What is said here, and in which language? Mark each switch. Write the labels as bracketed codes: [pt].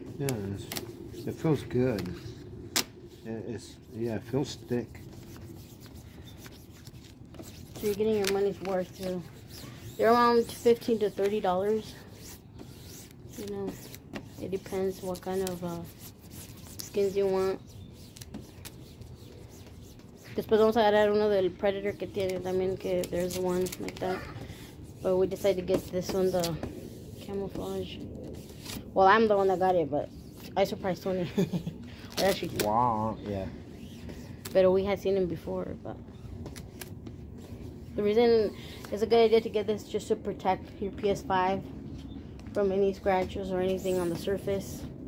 [en] Yeah, it feels good. It feels thick. So you're getting your money's worth, too. They're around $15 to $30. You know, it depends what kind of skins you want. [es] Después vamos a agarrar uno del Predator que tiene también, que there's one like that. [en] But we decided to get this one, the camouflage. Well, I'm the one that got it, but I surprised Tony. Wow, yeah. But we had seen him before, but... The reason it's a good idea to get this just to protect your PS5 from any scratches or anything on the surface.